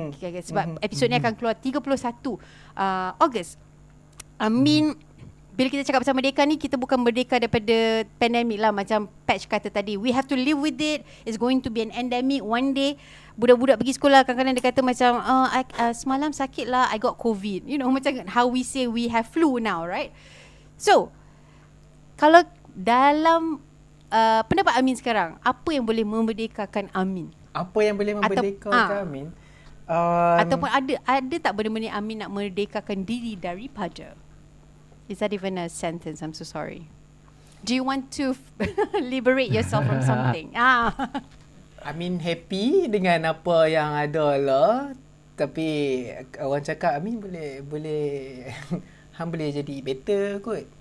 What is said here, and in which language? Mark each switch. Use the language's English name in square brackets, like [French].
[Malay] Sebab episod ni akan keluar 31 Ogos. Amin, bila kita cakap pasal merdeka ni, kita bukan merdeka daripada pandemik lah. Macam Petch kata tadi, [English] we have to live with it. It's going to be an endemic one day. [Malay] Budak-budak pergi sekolah, kadang-kadang dia kata macam, semalam sakit lah, [English] I got COVID. You know, [Malay] macam [English] how we say we have flu now, right? [Malay] So, kalau dalam pendapat Amin sekarang, apa yang boleh memerdekakan Amin? Apa yang boleh memerdekakan Amin? Ataupun ada tak benda-benda Amin nak merdekakan diri daripada? [English] Is that even a sentence? I'm so sorry. Do you want to liberate yourself from something? I mean, [Malay] happy dengan apa yang ada lah. Tapi orang cakap, [English] I mean, [Malay] boleh hang boleh jadi better kot.